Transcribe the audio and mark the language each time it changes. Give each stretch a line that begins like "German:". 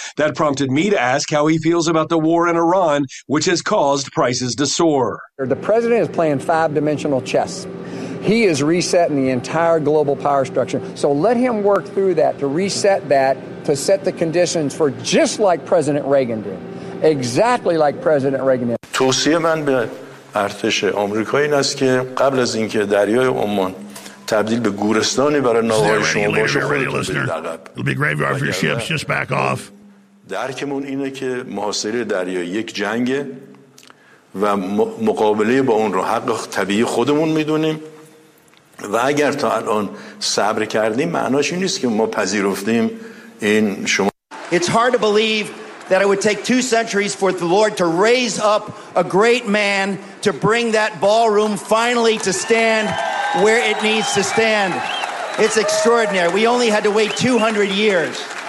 English: That prompted me to ask how he feels about the war in Iran, which has caused prices to soar. The president is playing five-dimensional chess. He is resetting the entire global power structure. So let him work through that to reset that, to set the conditions for just like President Reagan did. Exactly like President Reagan did. To see a man be
Persian: ارتش آمریکا این است که قبل از اینکه دریای عمان تبدیل به گورستانی برای ناوهای شما باشه
English: It'll be a graveyard for your ships. Just back off.
Persian: درکمون اینه که محاصره دریای یک جنگه و مقابله با اون رو حق طبیعی خودمون میدونیم و اگر تا الان صبر کردیم معناش این نیست که ما پذیرفتیم این شما
English: It's hard to believe that it would take two centuries for the Lord to raise up a great man to bring that ballroom finally to stand where it needs to stand. It's extraordinary. We only had to wait 200 years.